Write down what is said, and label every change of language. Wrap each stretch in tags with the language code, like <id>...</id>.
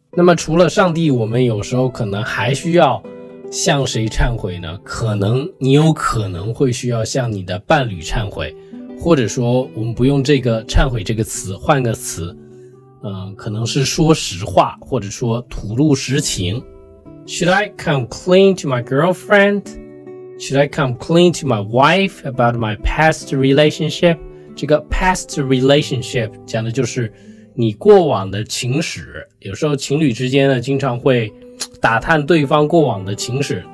<zh>那么除了上帝，我们有时候可能还需要向谁忏悔呢？可能你有可能会需要向你的伴侣忏悔，或者说我们不用这个忏悔这个词，换个词，可能是说实话，或者说吐露实情。</zh> <en>Should I come clean to my girlfriend? Should I come clean to my wife about my past relationship?</en> <zh>这个 past relationship 讲的就是你过往的情史。有时候情侣之间呢，经常会打探对方过往的情史。</zh>